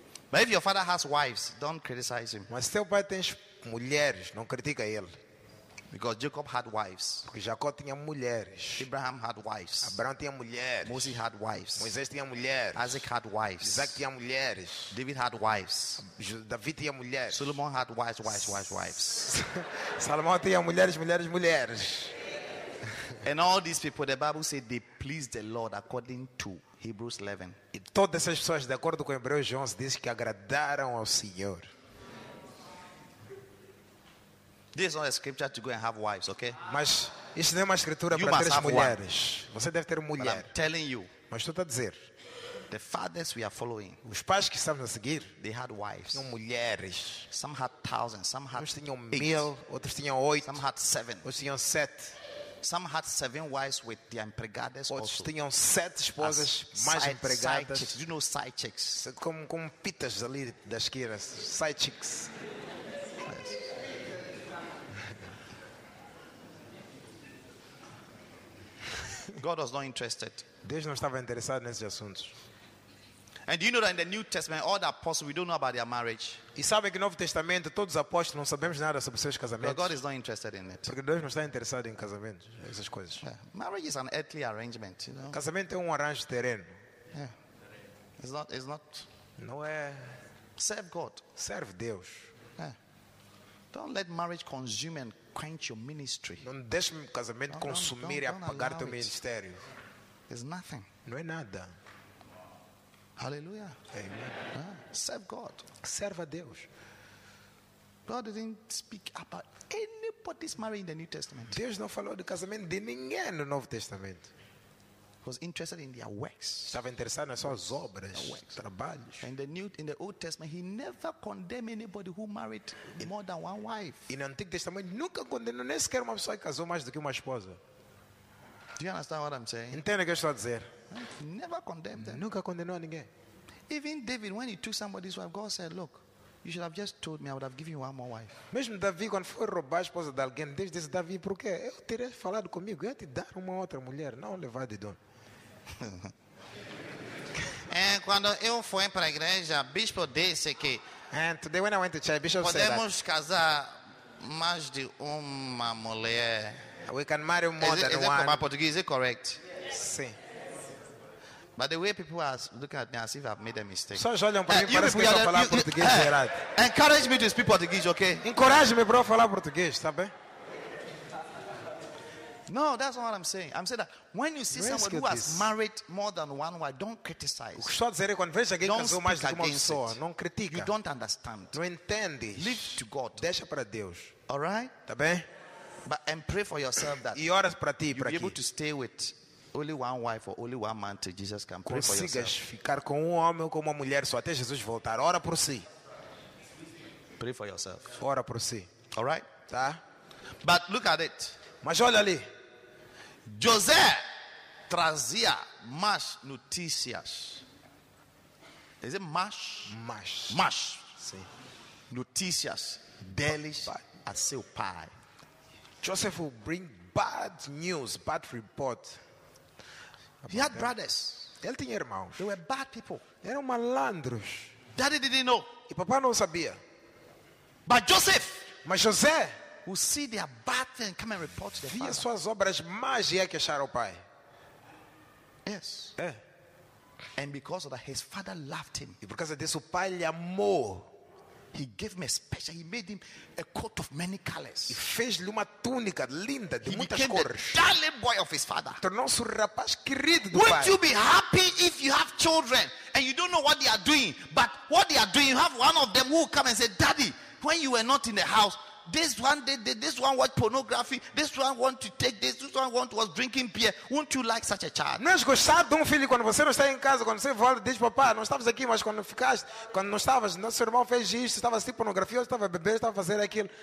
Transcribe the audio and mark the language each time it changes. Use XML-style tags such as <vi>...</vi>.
<en>But if your father has wives, don't criticize him.</en> <pt>Mas seu pai tem mulheres, não critica ele.</pt> <en>Because Jacob had wives.</en> <pt>Porque Jacó tinha mulheres.</pt> <en>Abraham had wives.</en> <pt>Abraão tinha mulheres.</pt> <en>Moses had wives.</en> <pt>Moisés tinha mulheres.</pt> <en>Isaac had wives.</en> <pt>Isaac tinha mulheres.</pt> <en>David had wives.</en> <pt>Davi tinha mulheres.</pt> <en>Solomon had wives, wives, wives, wives.</en> <pt>Salomão tinha mulheres, mulheres, mulheres.</pt> <en>And all these people, the Bible said they pleased the Lord according to Hebrews 11.</en> <pt>E todas essas pessoas, de acordo com Hebreus 11, diz que agradaram ao Senhor.</pt> <en>This is not a scripture to go and have wives, okay?</en> <pt>Mas isso não é uma escritura para ter mulheres.</pt> <en>One.</en> <pt>Você deve ter mulher.</pt> <en>But I'm telling you.</en> <pt>Mas estou a dizer.</pt> <en>The fathers we are following.</en> <pt>Os pais que estamos a seguir.</pt> <en>They had wives.</en> <pt>Tinham mulheres.</pt> <en>Some had thousands. Some had.</en> <pt>Uns tinham mil. Outros tinham oito.</pt> <en>Some had seven.</en> <pt>Outros tinham sete.</pt> <en>Some had seven wives with their empregadas.</en> <pt>Outros tinham sete esposas mais empregadas.</pt> <en>Side chicks. Do you know side chicks?</en> <pt>Como pitas ali das queiras.</pt> <en>Side chicks. God was not interested.</en> <pt>Deus não estava interessado nesses assuntos.</pt> <en>And you know that in the New Testament, all the apostles, we don't know about their marriage.</en> <pt>E sabe que no Novo Testamento todos os apóstolos não sabemos nada sobre seus casamentos.</pt> <en>But God is not interested in it.</en> <pt>Porque Deus não está interessado em casamentos, essas coisas.</pt> <en>Yeah. Marriage is an earthly arrangement, you know.</en> <pt>Casamento é arranjo terreno.</pt> <en>Yeah. It's not.</en> <pt>Não é.</pt> <en>Serve God.</en> <pt>Serve Deus.</pt> <en>Yeah. Don't let marriage consume and quench your ministry.</en> <pt>Não deixe o casamento consumir e apagar teu ministério.</pt> <en>It's nothing.</en> <pt>Não é nada. Hallelujah. Amen.</pt> <en>Ah, serve God.</en> <pt>Serve a Deus.</pt> <en>God didn't speak about anybody's marriage in the New Testament.</en> <pt>Deus não falou do casamento de ninguém no Novo Testamento.</pt> <en>He was interested in their works.</en> <pt>Estava interessado nas suas obras, trabalhos.</pt> <en>In the New, in the Old Testament, he never condemned anybody who married more than one wife.</en> <pt>E no Antigo Testamento nunca condenou nem sequer uma pessoa que casou mais do que uma esposa.</pt> <en>Do you understand what I'm saying?</en> <pt>Entende o que eu estou a dizer?</pt> <en>Never condemned them.</en> <pt>Nunca condenou ninguém.</pt> <en>Even David, when he took somebody's wife, God said, "Look, you should have just told me. I would have given you one more wife."</en> <pt>Mesmo Davi, quando foi roubar a esposa de alguém, Deus disse, Davi, por quê? Eu teria falado comigo, eu ia te dar uma outra mulher, não levar de dono. É, quando eu fui para a igreja, bispo disse que.</pt> <en>And today, when I went to church, bishop said that.</en> <pt>Podemos casar mais de uma mulher.</pt> <en>We can marry more than one. Is that my Portuguese? Is it correct?</en> <pt>Sim.</pt> <en>But the way people are looking at me, as if I've made a mistake.</en> <pt>Só olham para mim, parece que eu falo português errado.</pt> <en>Encourage me to speak Portuguese, okay?</en> <pt>Encoraje-me para falar português, tá bem?</pt> <en>No, that's not what I'm saying. I'm saying that when you see somebody who has married more than one wife, don't criticize.</en> <pt>Só dizer quando vejo alguém casou mais do que uma pessoa, não critica.</pt> <en>You don't understand.</en> <pt>Não entende.</pt> <en>Leave to God.</en> <pt>Deixa para Deus.</pt> <en>All right?</en> <pt>Tá bem?</pt> <en>But and pray for yourself that</en> <pt>e oras para ti,</pt> <en>you'll be able to stay with only one wife or only one man till Jesus can pray</en> <pt>consigas</pt> <en>for yourself.</en> <pt>Consigas ficar com homem ou com uma mulher só até Jesus voltar. Ora por si.</pt> <en>Pray for yourself.</en> <pt>Ora por si.</pt> <en>All right?</en> <pt>Tá?</pt> <en>But look at it.</en> <pt>Mas olha ali. José trazia más notícias.</pt> <en>Is it más?</en> <pt>Más. Más. Sim. Notícias deles a seu pai.</pt> <en>Joseph will bring bad news, bad report. He had brothers.</en> <pt>Ele tinha irmãos.</pt> <en>They were bad people.</en> <pt>Eram malandros.</pt> <en>Daddy didn't know.</en> <pt>E papá não sabia.</pt> <en>But Joseph.</en> <pt>Mas José.</pt> <en>who see their bad thing, come and report to their father.</en> <pt>Vê suas obras más e é queixar ao pai.</pt> <en>Yes.</en> <pt>É.</pt> <en>And because of that, his father loved him.</en> <pt>E por causa disso, o pai lhe amou.</pt> <en>He gave him a special, he made him a coat of many colors.</en> <pt>E fez-lhe uma túnica linda de</pt> <en>he</en> <pt>muitas cores.</pt> <en>The darling boy of his father.</en> <pt>Tornou-se o rapaz querido do</pt> <en>Wouldn't</en> <pt>pai.</pt> <en>You be happy if you have children and you don't know what they are doing, but what they are doing, you have one of them who will come and say, Daddy, when you were not in the house, this one watched pornography, this one wanted to take this, this one was drinking beer. Wouldn't you like such a child?</en> <pt>Não és gostado de filho quando você não está em casa, quando você volta, diz, papá, não estavas aqui, mas quando ficaste, quando não estavas, nosso irmão fez isso, estava assistindo pornografia, estava bebendo, estava fazendo aquilo.</pt>